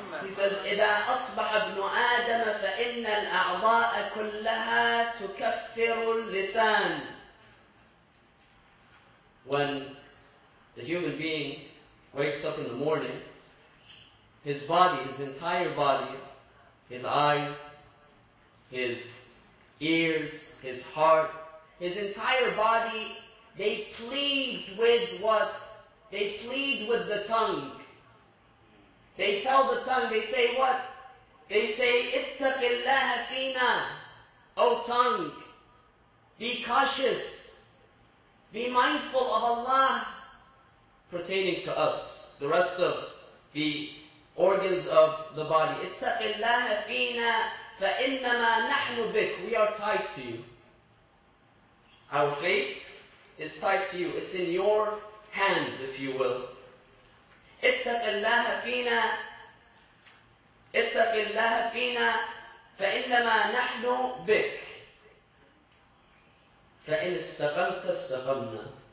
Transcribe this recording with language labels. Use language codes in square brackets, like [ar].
[ar] Says, إذا أصبح ابن آدم فإن الأعضاء كلها تكفر اللسان. [en] When the human being wakes up in the morning, his body, his entire body, his eyes, his ears, his heart, his entire body, they plead with what? They plead with the tongue. They tell the tongue, they say what? They say, [ar] اتق الله فينا, [en] O tongue, be cautious, be mindful of Allah pertaining to us, the rest of the organs of the body. [ar] اتق الله فينا فإنما نحن بك. [en] We are tied to you. Our fate is tied to you. It's in your hands, if you will. [ar] اتق الله فينا. اتق الله فينا فإنما نحن بك فإن استقمت استقمنا.